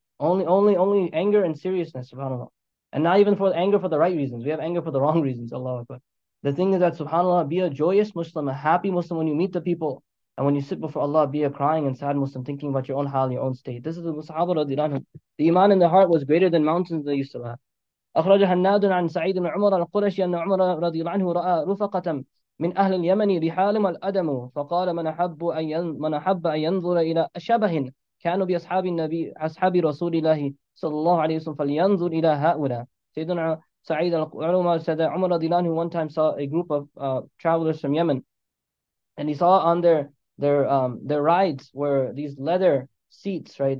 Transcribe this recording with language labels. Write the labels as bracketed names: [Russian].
[English] Only anger and seriousness, subhanAllah. And not even for anger for the right reasons. We have anger for the wrong reasons, Allah Akbar. The thing is that subhanAllah, be a joyous Muslim, a happy Muslim when you meet the people. And when you sit before Allah, be a crying and sad Muslim, thinking about your own hal, your own state. This is the Sahaba radiallahu anhu. The iman in the heart was greater than mountains they used to have. [Arabic] أخرج هناد عن سعيد بن عمر القرشي أن عمر رضي الله عنه رأى رفقة من أهل اليمن رحالهم الأدم فقال من أحب أن ينظر إلى شبه كانوا بأصحاب النبي أصحاب رسول الله صلى الله عليه وسلم فلينظر إلى هؤلاء. [English] سيدنا سعيد العلماء said that عمر رضي الله عنه one time saw a group of travelers from Yemen. And he saw on their rides were these leather seats, right?